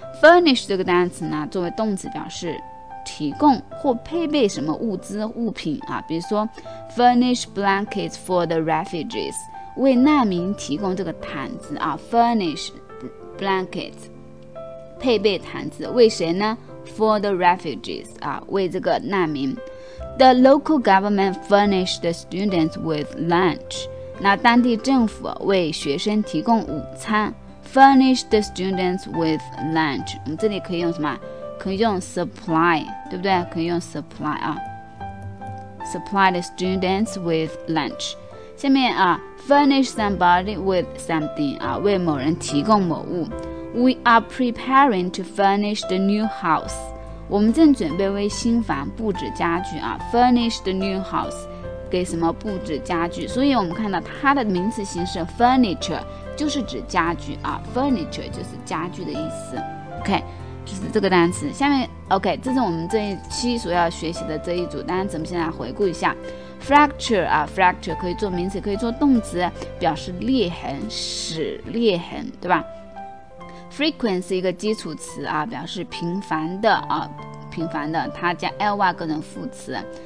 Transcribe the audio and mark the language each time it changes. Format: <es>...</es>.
<zh>Furnish 这个单词呢，作为动词表示提供或配备什么物资物品啊，比如说</zh> <en>furnish blankets for the refugees，</en> <zh>为难民提供这个毯子啊 ，</zh> <en>furnish blankets</en> <zh>配备毯子，为谁呢 ？</zh> <en>For the refugees</en> <zh>啊，为这个难民。</zh> <en>The local government furnished the students with lunch，</en> <zh>那当地政府为学生提供午餐。</zh> <en>Furnish the students with lunch.</en> <zh>我们这里可以用什么？可以用 supply， 对不对？可以用 supply 啊。</zh> <en>Supply the students with lunch.</en> <zh>下面啊 ，</zh> <en>furnish somebody with something</en> <zh>啊，为某人提供某物。</zh> <en>We are preparing to furnish the new house.</en> <zh>我们正准备为新房布置家具啊。</zh> <en>Furnish the new house，</en> <zh>给什么布置家具？所以我们看到它的名词形式 furniture。就是指家具啊 ，furniture 就是家具的意思。 OK， 就是这个单词。下面 OK， 这是我们这一期所要学习的这一组单词。我们先来回顾一下 ，fracture 啊 ，fracture 可以做名词，可以做动词，表示裂痕、使裂痕，对吧 ？Frequency 是一个基础词啊，表示频繁的啊，频繁的，它加 ly 各种副词。</zh>